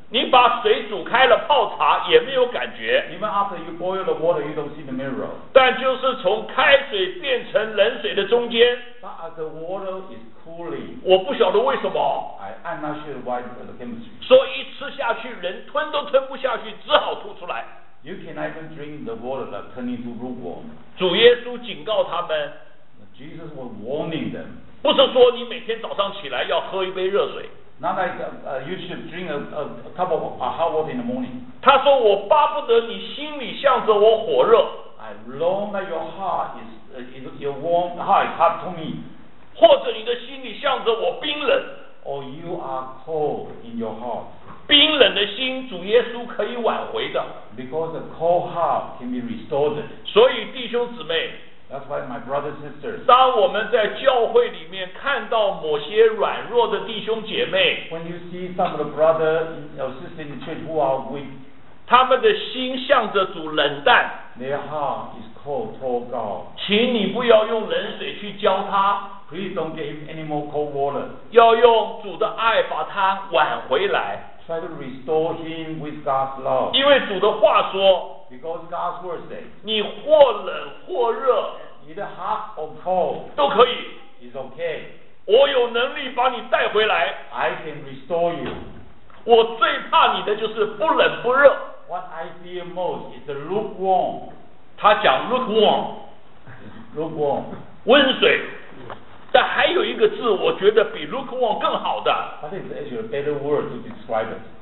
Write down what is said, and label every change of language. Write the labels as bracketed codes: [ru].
[zh] 你把水煮开了泡茶也没有感觉 [en] even after you boil the water, you don't see the mineral. [zh] 但就是从开水变成冷水的中间 [en] but as the water is cooling, [zh] 我不晓得为什么 [en] I'm not sure why the chemistry. [zh] 所以一吃下去，人吞都吞不下去，只好吐出来。 [en] You cannot even drink the water that turns into lukewarm. [zh] 主耶稣警告他们。 [en] Jesus was warning them. [zh] 不是说你每天早上起来要喝一杯热水。 [en] Not like you should drink a cup of hot water in the morning. [zh] 他说我巴不得你心里向着我火热。 [en] I long that your heart is your warm heart is hot to me. [zh] 或者你的心里向着我冰冷。 [en] Or you are cold in your heart. [zh] 冰冷的心，主耶稣可以挽回的。 [en] Because a cold heart can be restored. [zh] 所以弟兄姊妹 [en] ，That's why my brothers and sisters. [zh] 当我们在教会里面看到某些软弱的弟兄姐妹 [en] ，When you see some of the brothers or sisters in the church who are weak, [zh] 他们的心向着主冷淡 [en] ，Their heart is cold toward God. [zh] 请你不要用冷水去浇他。 [en] Please don't give any more cold water. [zh] 要用主的爱把他挽回来。 [en] Try to restore him with God's love. [zh] 因为主的话说 [en] Because God's word says. [zh] 你或冷或热 [en] Either hot or cold. [zh] 都可以 [en] It's okay. [zh] 我有能力把你带回来。 [en] I can restore you. [zh] 我最怕你的就是不冷不热。 [en] What I fear most is the lukewarm. [zh] 他讲 lukewarm. [en] Lukewarm. [zh] 温水。但还有一个字，我觉得比 lukewarm 更好的。 [en] That is actually a better word to describe it.